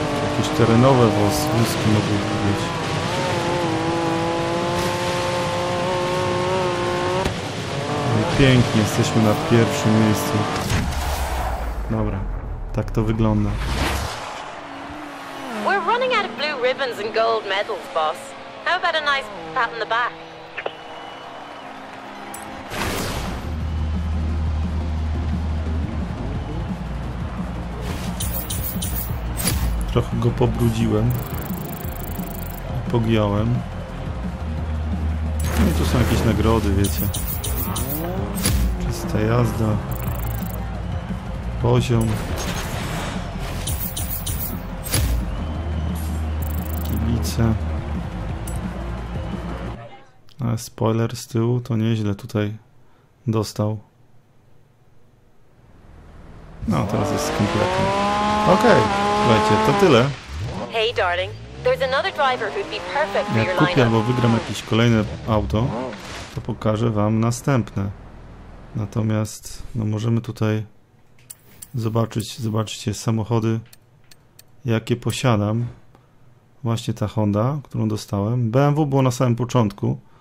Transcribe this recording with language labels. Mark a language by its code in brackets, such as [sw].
[pl] Jakieś terenowe wózki mogły być. Pięknie, jesteśmy na pierwszym miejscu. Dobra, tak to wygląda. [en] We're running out of blue ribbons and gold medals, boss. How about a nice pat on the back? [pl] Trochę go pobrudziłem. Pogiąłem. No i tu są jakieś nagrody, wiecie. Ta jazda, poziom, kibice, ale spoiler z tyłu, to nieźle tutaj dostał. No, teraz jest z kompletem. Okej, słuchajcie, to tyle. [en] Hey darling, there's another driver who'd be perfect for your lineup. [pl] Kupię albo wygram jakieś kolejne auto, to pokażę wam następne. Natomiast, no możemy tutaj zobaczyć, zobaczcie samochody, jakie posiadam. Właśnie ta Honda, którą dostałem. BMW było na samym początku.